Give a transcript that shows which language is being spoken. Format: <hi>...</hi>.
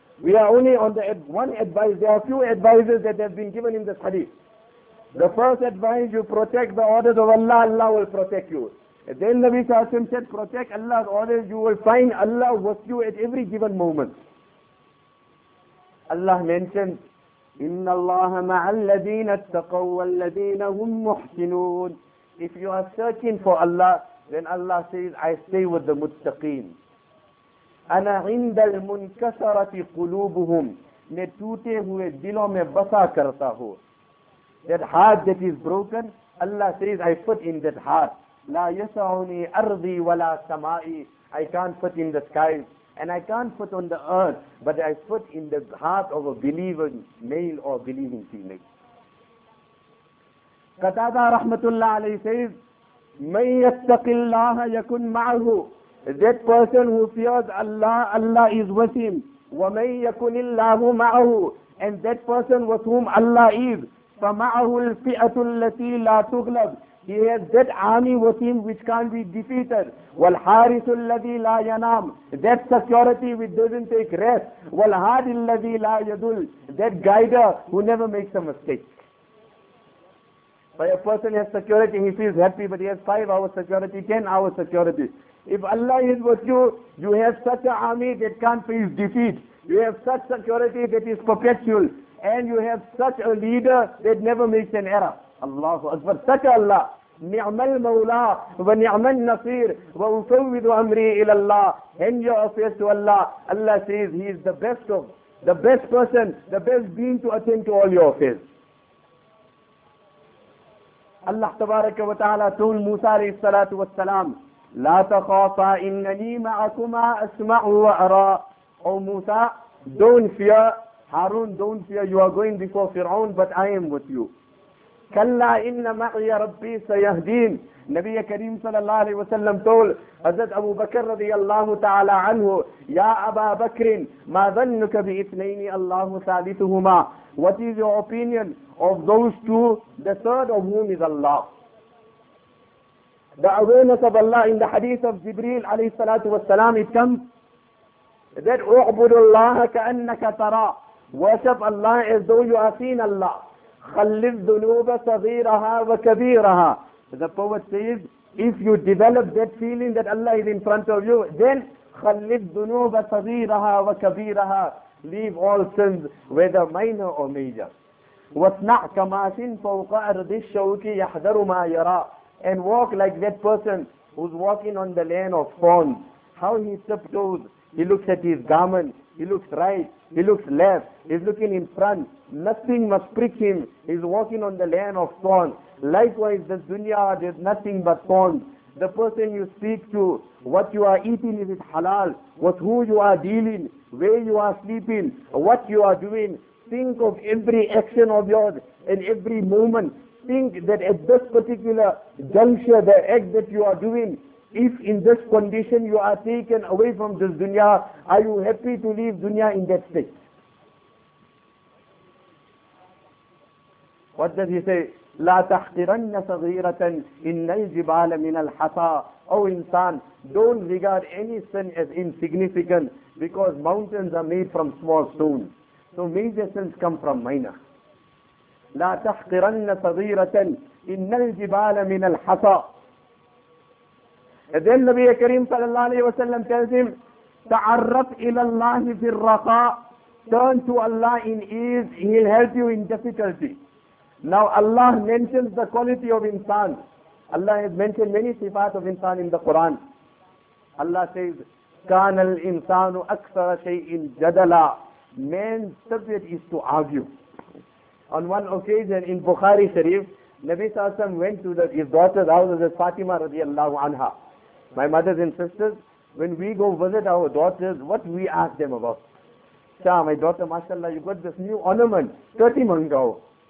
<en>We are only on the one advice. There are a few advices that have been given in this hadith. The first advice, you protect the orders of Allah, Allah will protect you. Then Nabi Sallallahu Alaihi Wasallam said, protect Allah's orders, you will find Allah with you at every given moment. Allah mentioned,</en> <ar>إِنَّ اللَّهَ مَعَ الَّذِينَ اتَّقَوْا وَالَّذِينَ هُمْ مُحْسِنُونَ.</ar> <en>If you are searching for Allah, then Allah says, I stay with the muttaqeen.</en> <ar>أَنَا عِنْدَ الْمُنْكَسَرَةِ قُلُوبُهُمْ.</ar> <ur>میں ٹوٹے ہوئے دلوں میں بسا کرتا ہو.</ur> <en>That heart that is broken, Allah says, I put in that heart.</en> <ar>لا يسعني أرضي ولا سمائي.</ar> <en>I can't put in the skies and I can't put on the earth, but I put in the heart of a believing male or believing female. Qatada rahmatullah alayhi says,</en> <ar>مَنْ يَتَّقِ اللَّهَ يَكُنْ مَعْهُ.</ar> <en>That person who fears Allah, Allah is with him.</en> <ar>وَمَنْ يَكُنِ اللَّهُ مَعْهُ.</ar> <en>And that person with whom Allah is,</en> <ar>فَمَعَهُ الْفِئَةُ الَّتِي لَا تُغْلَبُ.</ar> <en>He has that army with him which can't be defeated.</en> <ar>وَالْحَارِسُ الَّذِي لَا يَنَامُ.</ar> <en>That security which doesn't take rest.</en> <ar>وَالْهَادِ الَّذِي لَا يَدُلْ.</ar> <en>That guider who never makes a mistake. But a person has security, he feels happy, but he has 5 hours security, 10 hours security. If Allah is with you, you have such an army that can't face defeat. You have such security that is perpetual. And you have such a leader that never makes an error. Allahu Akbar. Such Allah.</en> <ar>نِعْمَ الْمَوْلَىٰ وَنِعْمَ النَّصِيرُ وَأُفَوِّضُ أَمْرِي إِلَى اللَّهِ.</ar> <en>Hand your affairs to Allah. Allah says he is the best of, the best person, the best being to attend to all your affairs.</en> <ar>Allah تبارك وتعالى told Musa عليه الصلاة والسلام, لا تخافا إنني معكما أسمع وأرى.</ar> <en>Oh Musa, don't fear. Harun, don't fear. You are going before Fir'aun, but I am with you.</en> <ar>كلا إن معي ربي سيهدين. نبي كريم صلى الله عليه وسلم told حضرت أبو بكر رضي الله تعالى عنه, يا أبا بكر ما ظنك بإثنين الله ثالثهما.</ar> <en>What is your opinion of those two, the third of whom is Allah? The awareness of Allah in the hadith of Jibreel alayhi salatu wasalam, it comes that</en> <ar>اعبد الله كأنك ترى.</ar> <en>Worship Allah as though you are seeing Allah.</en> <ar>خلف ذنوب صغيرها وكبيرها.</ar> <en>The poet says, if you develop that feeling that Allah is in front of you, then</en> <ar>خلف ذنوب صغيرها وكبيرها.</ar> <en>Leave all sins, whether minor or major.</en> <ar>وَاصْنَعْ كَمَا فَوْقَ أَرْضِ الشَّوْكِ يَحْذَرُ مَا يَرَى.</ar> <en>And walk like that person who's walking on the land of thorns. How he tiptoes, he looks at his garment, he looks right, he looks left, he's looking in front. Nothing must prick him, he's walking on the land of thorns. Likewise, the dunya, there's nothing but thorns. The person you speak to, what you are eating, is it halal? With who you are dealing, where you are sleeping, what you are doing. Think of every action of yours and every moment. Think that at this particular juncture, the act that you are doing, if in this condition you are taken away from this dunya, are you happy to leave dunya in that state? What does he say?</en> <ar>لا تحقرن صغيرة إن الجبال من الحصى.</ar> <en>Oh insan, don't regard any sin as insignificant, because mountains are made from small stones. So major sins come from minor.</en> <ar>لا تحقرن صغيرة إن الجبال من الحصى.</ar> <en>Then Nabi Kareem sallallahu alayhi wa sallam tells him,</en> <ar>تعرف إلى الله في الرخاء.</ar> <en>Turn to Allah in ease, He'll help you in difficulty. Now Allah mentions the quality of insan. Allah has mentioned many sifat of insan in the Quran. Allah says,</en> <ar>كَانَ الْإِنسَانُ أَكْثَرَ شَيْءٍ جَدَلًا.</ar> <en>Man's subject is to argue. On one occasion in Bukhari Sharif, Nabi Sassam went to his daughter's house, of Fatima radiallahu anha. My mothers and sisters, when we go visit our daughters, what we ask them about? Shah, my daughter, mashallah, you got this new ornament, 30 months ago.</en>